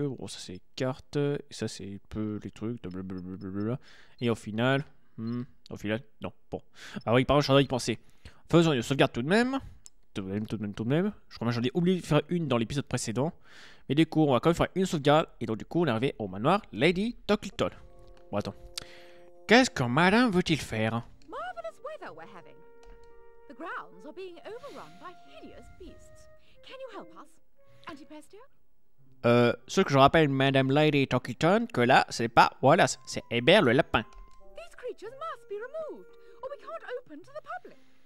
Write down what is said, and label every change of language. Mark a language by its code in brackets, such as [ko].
[fr] Bon, ça, c'est les cartes. Ça, c'est peu les trucs. Blablabla. Et au final... au final, non, bon. Ah oui, par contre, j'en ai pensé. Faisons une sauvegarde tout de même. Tout de même. Je crois que j'en ai oublié de faire une dans l'épisode précédent. Mais du coup, on va quand même faire une sauvegarde. Et donc, du coup, on est arrivé au manoir Lady Tuckleton. Bon, attends. Qu'est-ce qu'un malin veut-il faire? [en] Marvelous weather we're having. The grounds are being overrun by hideous beasts. Can you help us, Antipestia? [fr] Sauf que je rappelle, Madame Lady Tuckleton, que là, c'est pas Wallace, c'est Hébert le lapin. [en] Creatures must be removed, or we can't open to the public.